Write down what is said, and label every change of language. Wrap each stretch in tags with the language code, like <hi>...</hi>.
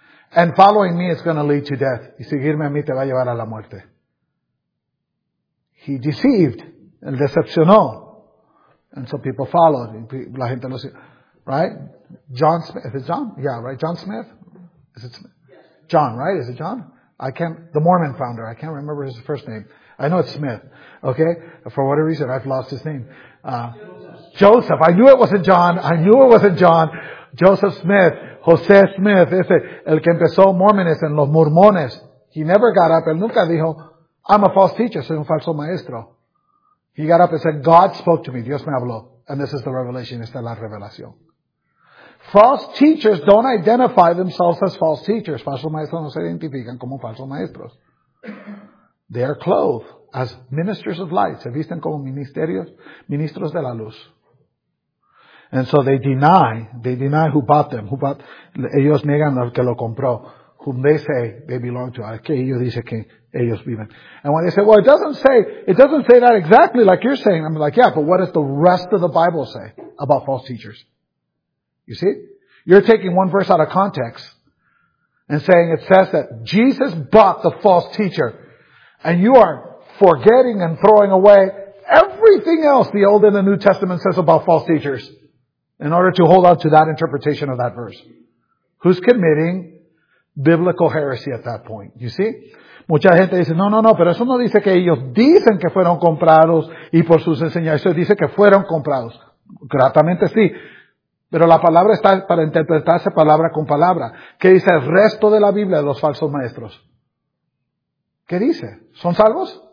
<en>And following me is going to lead to death.</en> <es>Y seguirme a mí te va a llevar a la muerte.</es> <en>He deceived.</en> <es>Él decepcionó.</es> <en>And so people followed.</en> <es>La gente lo siguió.</es> <en>Right? John Smith. Is it John? Yeah, right? John Smith? Is it Smith? John, right? Is it John? I can't, the Mormon founder. I can't remember his first name. I know it's Smith. Okay? For whatever reason, I've lost his name. Joseph. I knew it wasn't John. I knew it wasn't John. Joseph Smith. Jose Smith.</en> <es>Ese, el que empezó Mormonism en los Mormones.</es> <en>He never got up.</en> <es>Él nunca dijo,</es> <en>I'm a false teacher.</en> <es>Soy un falso maestro.</es> <en>He got up and said, God spoke to me.</en> <es>Dios me habló.</es> <en>And this is the revelation.</en> <es>Esta es la revelación.</es> <en>False teachers don't identify themselves as false teachers.</en> <es>Falsos maestros no se identifican como falsos maestros.</es> <en>They are clothed as ministers of light.</en> <es>Se visten como ministros de la luz.</es> <en>And so they deny who bought them.</en> <es>Ellos niegan al que lo compró.</es> <en>Whom they say they belong to.</en> <es>Aquí ellos dicen que ellos viven.</es> <en>And when they say, well, it doesn't say that exactly like you're saying. I'm like, yeah, but what does the rest of the Bible say about false teachers? You see? You're taking one verse out of context and saying it says that Jesus bought the false teacher. And you are forgetting and throwing away everything else the Old and the New Testament says about false teachers in order to hold on to that interpretation of that verse. Who's committing biblical heresy at that point? You see?</en> <es>Mucha gente dice, no, pero eso no dice que ellos dicen que fueron comprados y por sus enseñanzas. Eso dice que fueron comprados. Gratamente sí. Pero la palabra está para interpretarse palabra con palabra. ¿Qué dice el resto de la Biblia de los falsos maestros? ¿Qué dice? ¿Son salvos?</es>